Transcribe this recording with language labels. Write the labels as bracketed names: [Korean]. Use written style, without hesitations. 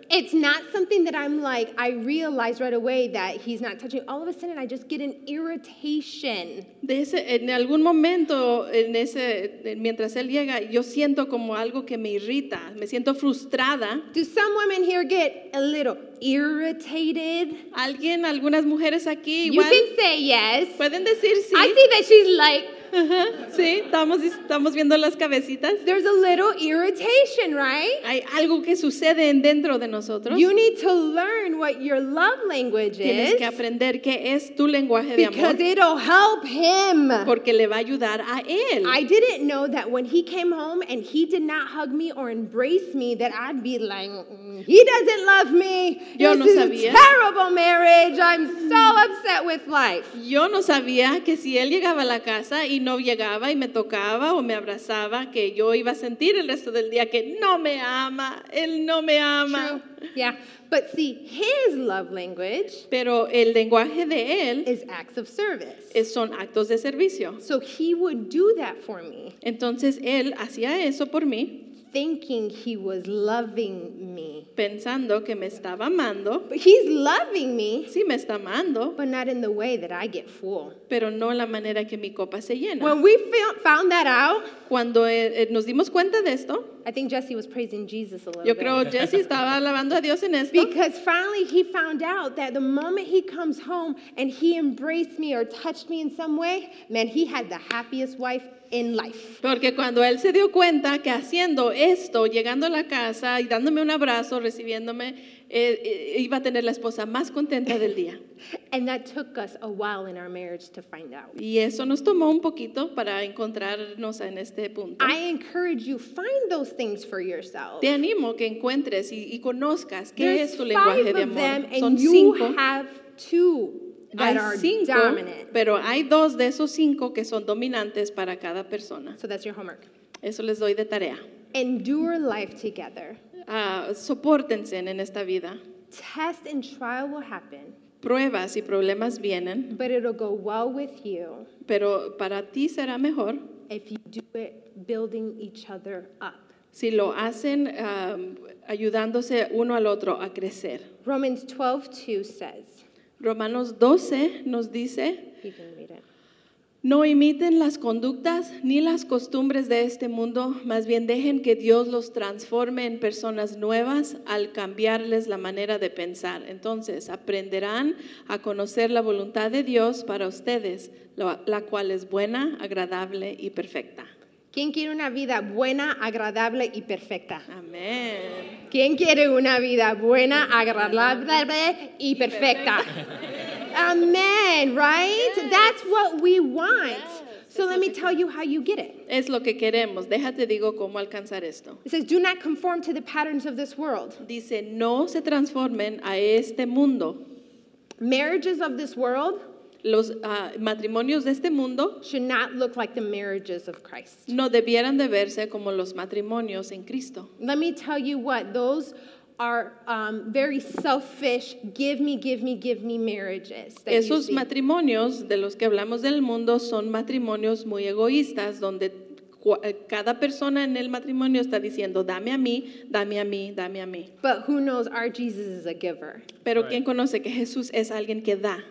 [English] It's not something that I'm like, I realize right away that he's not touching. All of a sudden, I just get an irritation. [Spanish] De ese, en algún momento, en ese, mientras él llega, yo siento como algo que me irrita. Me siento frustrada. [English] Do some women here get a little irritated? [Spanish] Alguien, algunas mujeres aquí, [English] you can say yes. [Spanish] Pueden decir sí. [English] I see that she's like, [Spanish] uh-huh. Sí, estamos viendo las cabecitas. [English] There's a little irritation, right? [Spanish] Hay algo que sucede dentro de nosotros. [English] You need to learn what your love language [Spanish] tienes [English] is. [Spanish] Tienes que aprender qué es tu lenguaje de amor. [English] Because it'll help him. [Spanish] Porque le va a ayudar a él. [English] I didn't know that when he came home and he did not hug me or embrace me, that I'd be like, he doesn't love me. [Spanish] Yo [English] this [Spanish] no [English] is [Spanish] sabía. [English] A terrible marriage. I'm so upset with life. [Spanish] Yo no sabía que si él llegaba a la casa y no llegaba y me tocaba o me abrazaba que yo iba a sentir el resto del día que no me ama, él no me ama. [English] True. Yeah. But see, his love language, [Spanish] pero el lenguaje de él, [English] is acts of service. [Spanish] Es son actos de servicio. [English] So he would do that for me. [Spanish] Entonces él hacía eso por mí. [English] Thinking he was loving me. [Spanish] Pensando que me estaba amando. [English] But he's loving me. [Spanish] Sí, me está amando. [English] But not in the way that I get full. [Spanish] Pero no la manera que mi copa se llena. [English] When we found that out. [Spanish] Cuando nos dimos cuenta de esto. [English] I think Jesse was praising Jesus a little [Spanish] bit. Yo creo Jesse estaba alabando a Dios en esto. [English] Because finally he found out that the moment he comes home and he embraced me or touched me in some way, man, he had the happiest wife in life. [Spanish] Porque cuando él se dio cuenta que haciendo esto, llegando a la casa y dándome un abrazo, recibiéndome, iba a tener la esposa más contenta del día. [English] And that took us a while in our marriage to find out. [Spanish] Y eso nos tomó un poquito para encontrarnos en este punto. [English] I encourage you, find those things for yourself. [Spanish] Te animo que encuentres y conozcas qué [English] There's [Spanish] es tu lenguaje [English] five [Spanish] de amor. [English] Of them [Spanish] Son [English] and [Spanish] cinco. [English] You have two. That are [Spanish] cinco, [English] dominant. [Spanish] Pero hay dos de esos cinco que son dominantes para cada persona. [English] So that's your homework. [Spanish] Eso les doy de tarea. [English] Endure life together. [Spanish] Sopórtense en esta vida. [English] Test and trial will happen. [Spanish] Pruebas y problemas vienen. [English] But it'll go well with you. [Spanish] Pero para ti será mejor. [English] If you do it building each other up. [Spanish] Si lo hacen ayudándose uno al otro a crecer. [English] Romans 12:2 says. [Spanish] Romanos 12 nos dice, no imiten las conductas ni las costumbres de este mundo, más bien dejen que Dios los transforme en personas nuevas al cambiarles la manera de pensar. Entonces, aprenderán a conocer la voluntad de Dios para ustedes, la cual es buena, agradable y perfecta. ¿Quién quiere una vida buena, agradable y perfecta? Amén. ¿Quién quiere una vida buena, agradable y perfecta? [English] Amén, right? Yes. That's what we want. Yes. So let me tell you how you get it. [Spanish] Es lo que queremos. Déjate digo cómo alcanzar esto. [English] It says, do not conform to the patterns of this world. [Spanish] Dice, no se transformen a este mundo. [English] Marriages of this world. [Spanish] Los matrimonios de este mundo [English] should not look like the marriages of Christ. [Spanish] No debieran de verse como los matrimonios en Cristo. [English] Let me tell you what, those are very selfish, give me marriages. [Spanish] Esos matrimonios de los que hablamos del mundo son matrimonios muy egoístas, donde cada persona en el matrimonio está diciendo, dame a mí, dame a mí, dame a mí. [English] But who knows our Jesus is a giver. [Spanish] Pero right. ¿Quién conoce que Jesús es alguien que da?